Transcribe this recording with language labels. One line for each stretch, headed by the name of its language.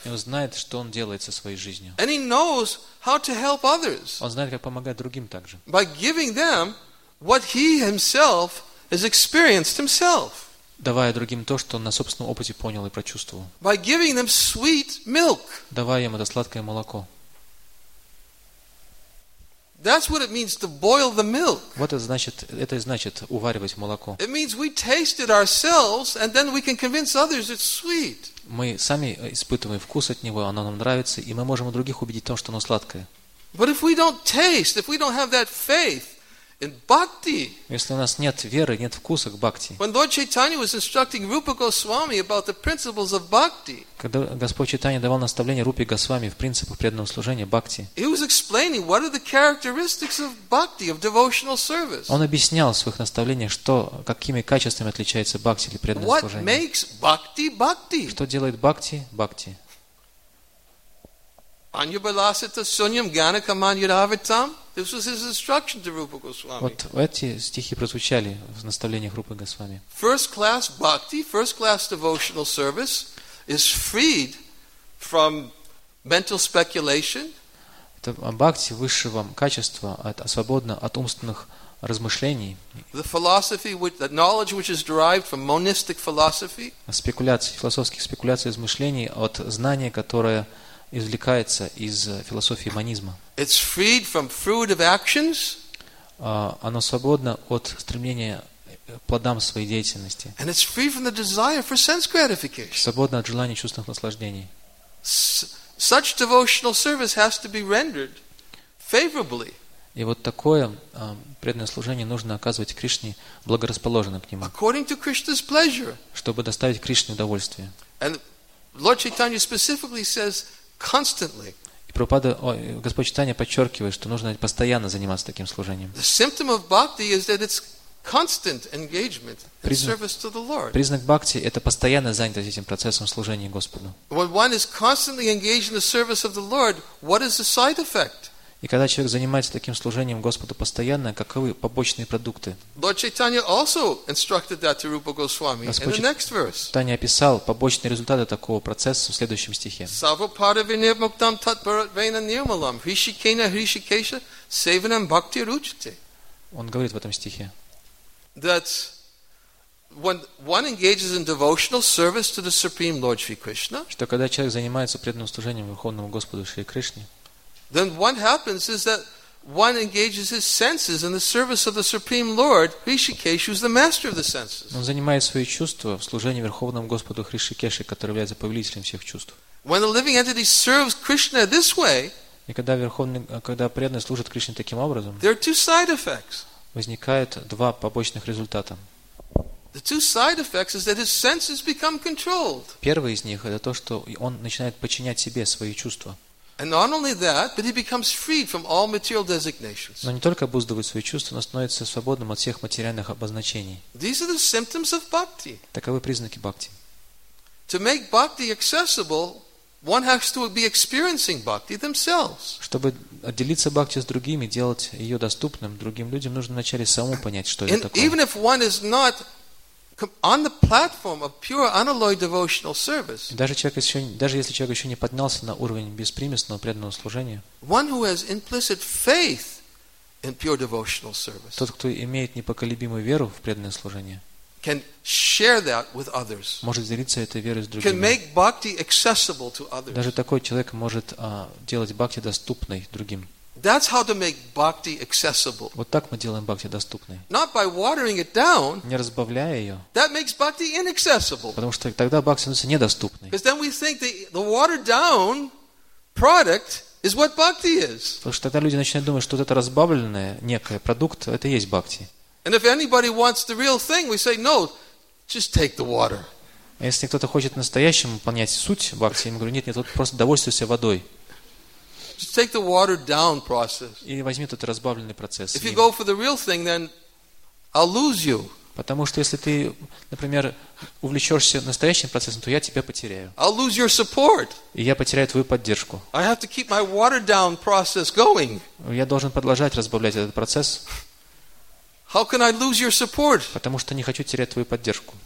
Russian: И он знает, что он делает со своей жизнью.
English: And he knows how to help others.
Russian: Он знает, как помогать другим также.
English: By giving them what he himself has experienced himself.
Russian: Давая другим то, что он на собственном опыте понял и прочувствовал.
English: By giving them sweet milk.
Russian: Давая им это сладкое молоко.
English: That's what it means to boil the milk.
Russian: Вот это значит уваривать молоко.
English: It means we taste it ourselves, and then we can convince others it's sweet.
Russian: Мы сами испытываем вкус от него, оно нам нравится, и мы можем у других убедить в том, что оно сладкое.
English: But if we don't taste, if we don't have that faith, in bhakti.
Russian: Если у нас нет веры, нет вкуса к бхакти.
English: When Lord Chaitanya was instructing Rupa Goswami about the principles of bhakti.
Russian: Когда Господь Чайтанья давал наставление Рупе Госвами в принципах преданного служения бхакти.
English: He was explaining what are the characteristics of bhakti, of devotional service.
Russian: Он объяснял в своих наставлениях, что какими качествами отличается бхакти или преданное служение.
English: What makes bhakti bhakti?
Russian: Что делает бхакти бхакти?
Sanskrit: Anyabalasita sunyam ganakamanyadavitam.
English: This was his instruction to Rupa Goswami.
Russian: Вот эти стихи прозвучали в наставлениях Рупы Госвами.
English: First class bhakti, first class devotional service is freed from mental speculation.
Russian: Это бхакти высшего качества, свободно от умственных размышлений.
English: The philosophy which, the knowledge which is derived from monistic philosophy.
Russian: Спекуляции, философских спекуляций, измышлений от знания, которое извлекается из философии монизма.
English: It's freed from fruit of actions.
Russian: Оно свободно от стремления плодам своей деятельности.
English: And it's free from the desire for sense gratification.
Russian: Свободно от желания чувственных наслаждений.
English: Such devotional service has to be rendered favorably.
Russian: И вот такое преданное служение нужно оказывать Кришне благорасположенным к нему.
English: According to Krishna's pleasure.
Russian: Чтобы доставить Кришне удовольствие.
English: And Lord Chaitanya specifically says constantly.
Russian: И Прабхупада, Господь Чайтанья подчеркивает, что нужно постоянно заниматься таким служением.
English: The symptom of bhakti is that it's constant engagement in service to the Lord.
Russian: Признак бхакти – это постоянно занятость этим процессом служения Господу.
English: When one is constantly engaged in the service of the Lord, what is the side effect?
Russian: И когда человек занимается таким служением Господу постоянно, каковы побочные продукты?
English: Lord Chaitanya also instructed that to Rupa Goswami in the next verse.
Russian: Господь Чайтанья описал побочные результаты такого процесса в следующем стихе.
Sanskrit: Сарва-пара-винир-муктам тат-парат-вейна-нирмалам хришикена-хришикеша-севанам-бхакти-ручите.
Russian: Он говорит в этом стихе.
English: That when one engages in devotional service to the Supreme Lord Sri Krishna,
Russian: что когда человек занимается преданным служением Верховному Господу Шри Кришне,
English: then what happens is that one engages his senses in the service of the Supreme Lord. Hrishikesh is the master of the senses.
Russian: Он занимает свои чувства в служении Верховному Господу Хришикеше, который является повелителем всех чувств.
English: When a living entity serves Krishna this way,
Russian: и когда верховный, когда преданный служит Кришне таким образом,
English: there are two side effects.
Russian: Возникает два побочных результата.
English: The two side effects is that his senses become controlled.
Russian: Первый из них это то, что он начинает подчинять себе свои чувства.
English: And not only that, but he becomes freed from all material designations.
Russian: Но не только обуздывает свои чувства, но становится свободным от всех материальных обозначений.
English: These are the symptoms of bhakti.
Russian: Таковы признаки бхакти.
English: To make bhakti accessible, one has to be experiencing bhakti themselves.
Russian: Чтобы отделиться бхакти с другими, делать ее доступным другим людям, нужно вначале самому понять, что это такое.
English: Even if one is not on the platform of pure unalloyed devotional service.
Russian: Даже если человек еще не поднялся на уровень беспримесного преданного служения.
English: One who has implicit faith in pure devotional service.
Russian: Тот, кто имеет непоколебимую веру в преданное служение.
English: Can share that with others.
Russian: Может делиться этой верой с другими.
English: Can make bhakti accessible to others.
Russian: Даже такой человек может делать бхакти доступной другим.
English: That's how to make bhakti accessible.
Russian: Вот так мы делаем бхакти доступной.
English: Not by watering it down.
Russian: Не разбавляя ее.
English: That makes bhakti inaccessible.
Russian: Потому что тогда бхакти становится недоступной.
English: Because then we think the watered down product is what bhakti is.
Russian: Потому что тогда люди начинают думать, что вот это разбавленное некое продукт, это есть бхакти.
English: And if anybody wants the real thing, we say, no, just take the water.
Russian: А если кто-то хочет настоящему понять суть бхакти, я говорю, нет, вот просто довольствуйся водой.
English: Just take the watered down process.
Russian: И возьми этот разбавленный процесс.
English: If you go for the real thing, then I'll lose you.
Russian: Потому что если ты, например, увлечешься настоящим процессом, то я тебя потеряю.
English: I'll lose your support.
Russian: И я потеряю твою поддержку.
English: I have to keep my watered down process going.
Russian: Я должен продолжать разбавлять этот процесс.
English: How can I lose your support?
Russian: Потому что не хочу терять твою поддержку.